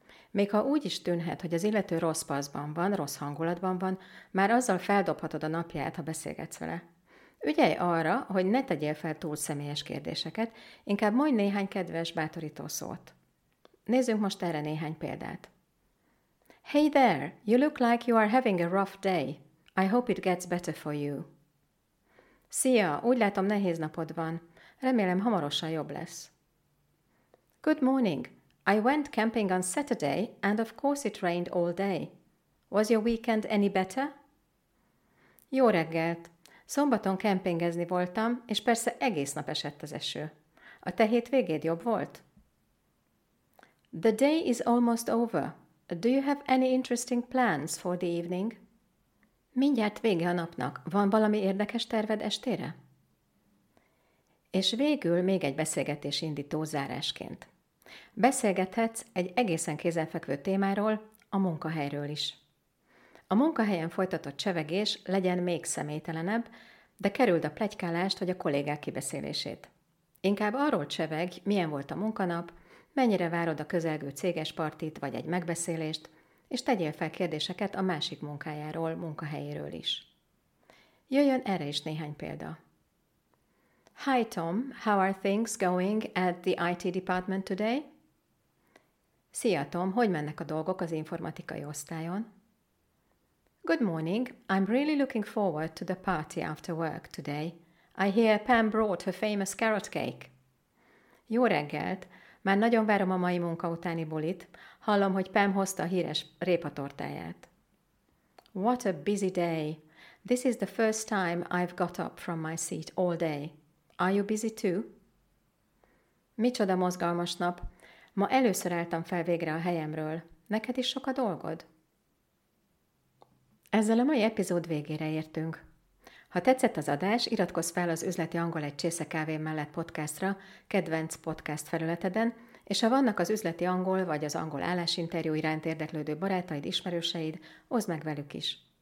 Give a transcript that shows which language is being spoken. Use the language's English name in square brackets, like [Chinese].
[Hungarian] Még ha úgy is tűnhet, hogy az illető rossz paszban van, rossz hangulatban van, már azzal feldobhatod a napját, ha beszélgetsz vele. Ügyelj arra, hogy ne tegyél fel túl személyes kérdéseket, inkább mondj néhány kedves, bátorító szót. Nézzünk most erre néhány példát. [English] Hey there, you look like you are having a rough day. I hope it gets better for you. [Hungarian] Szia, úgy látom nehéz napod van. Remélem hamarosan jobb lesz. [English] Good morning. I went camping on Saturday, and of course it rained all day. Was your weekend any better? [Hungarian] Jó reggelt! Szombaton kempingezni voltam, és persze egész nap esett az eső. A te hétvégéd jobb volt? [English] The day is almost over. Do you have any interesting plans for the evening? [Hungarian] Mindjárt vége a napnak. Van valami érdekes terved estére? És végül még egy beszélgetés indító zárásként. Beszélgethetsz egy egészen kézenfekvő témáról, a munkahelyről is. A munkahelyen folytatott csevegés legyen még személytelenebb, de kerüld a pletykálást vagy a kollégák kibeszélését. Inkább arról csevegj, milyen volt a munkanap, mennyire várod a közelgő céges partit vagy egy megbeszélést, és tegyél fel kérdéseket a másik munkájáról, munkahelyéről is. Jöjjön erre is néhány példa. [English] Hi Tom, how are things going at the IT department today? [Hungarian] Szia Tom, hogy mennek a dolgok az informatikai osztályon? [English] Good morning, I'm really looking forward to the party after work today. I hear Pam brought her famous carrot cake. [Hungarian] Jó reggelt, már nagyon várom a mai munka utáni bulit. Hallom, hogy Pam hozta a híres répatortáját. [English] What a busy day. This is the first time I've got up from my seat all day. Are you busy too? [Hungarian] Micsoda mozgalmas nap. Ma először álltam fel végre a helyemről. [English] Neked is sok a dolgod? [Hungarian] Ezzel a mai epizód végére értünk. Ha tetszett az adás, iratkozz fel az Üzleti Angol egy csésze kávé mellett podcastra, kedvenc podcast felületeden, és ha vannak az üzleti angol vagy az angol állásinterjú iránt érdeklődő barátaid, ismerőseid, oszd meg velük is.